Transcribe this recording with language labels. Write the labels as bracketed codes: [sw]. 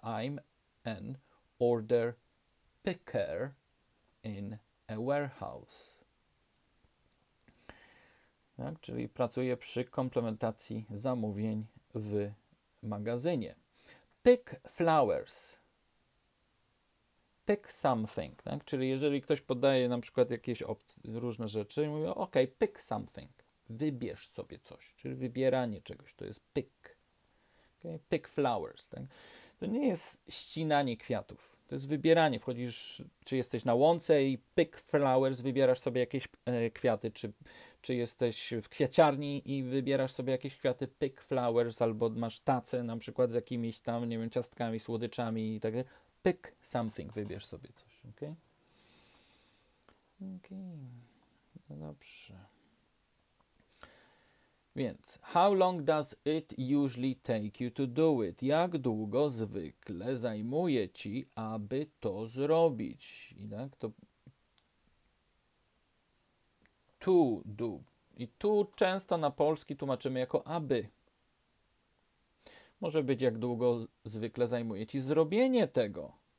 [en] I'm an order picker in a warehouse. [pl] Tak? Czyli pracuję przy komplementacji zamówień w magazynie. [en] Pick flowers. Pick something. Tak? [pl] Czyli jeżeli ktoś podaje na przykład jakieś różne rzeczy, mówię, ok, [en] pick something. [pl] Wybierz sobie coś. Czyli wybieranie czegoś. To jest [en] pick. Okay. Pick flowers. Tak? [pl] To nie jest ścinanie kwiatów. To jest wybieranie. Wchodzisz, czy jesteś na łące i [en] pick flowers, [pl] wybierasz sobie jakieś kwiaty. Czy jesteś w kwiaciarni i wybierasz sobie jakieś kwiaty, [en] pick flowers, [pl] albo masz tacę na przykład z jakimiś tam, nie wiem, ciastkami, słodyczami i tak dalej. [en] Pick something, [pl] wybierz sobie coś. Okay? Okay. No dobrze. [en] Więc, how long does it usually take you to do it? [pl] Jak długo zwykle zajmuje ci, aby to zrobić? I tak to. [en] To do. [pl] I tu często na polski tłumaczymy jako aby. Może być, jak długo zwykle zajmuje ci zrobienie tego.